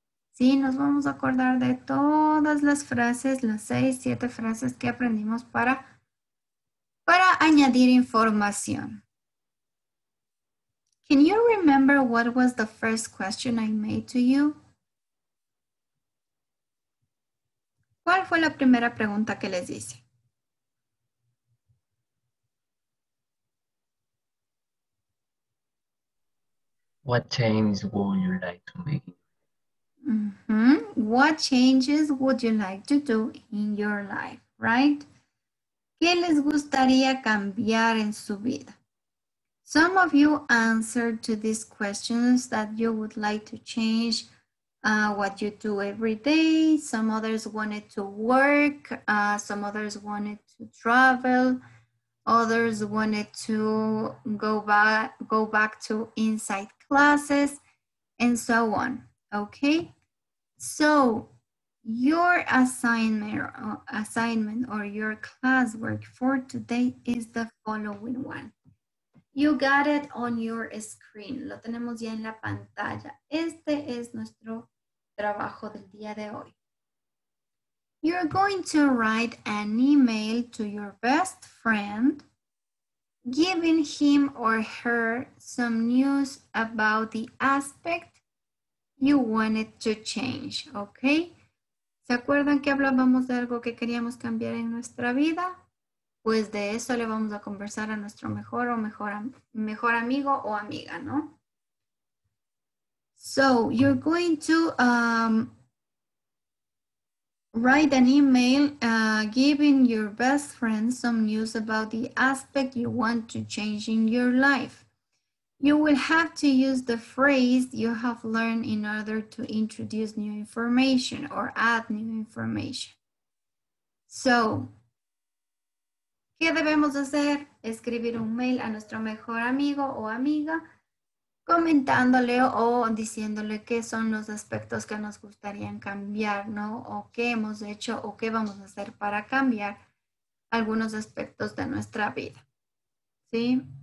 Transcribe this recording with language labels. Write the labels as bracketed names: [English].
[Spanish] Sí, nos vamos a acordar de todas las frases, las 6, 7 frases que aprendimos para añadir información. [English] Can you remember what was the first question I made to you? [Spanish] ¿Cuál fue la primera pregunta que les hice? [English] What changes would you like to make? Mm-hmm. What changes would you like to do in your life, right? [Spanish] ¿Qué les gustaría cambiar en su vida? [English] Some of you answered to these questions that you would like to change what you do every day. Some others wanted to work. Some others wanted to travel. Others wanted to go back to inside classes and so on. Okay. So your assignment or your classwork for today is the following one. You got it on your screen. [Spanish] Lo tenemos ya en la pantalla. Este es nuestro trabajo del día de hoy. [English] You're going to write an email to your best friend, giving him or her some news about the aspect you wanted to change, okay? [Spanish] ¿Se acuerdan que hablábamos de algo que queríamos cambiar en nuestra vida? Pues de eso le vamos a conversar a nuestro mejor amigo o amiga, ¿no? [English] So you're going to write an email giving your best friend some news about the aspect you want to change in your life. You will have to use the phrase you have learned in order to introduce new information or add new information. [Spanish] So, ¿qué debemos hacer? Escribir un mail a nuestro mejor amigo o amiga comentándole o diciéndole qué son los aspectos que nos gustarían cambiar, ¿no? O qué hemos hecho o qué vamos a hacer para cambiar algunos aspectos de nuestra vida. ¿Sí?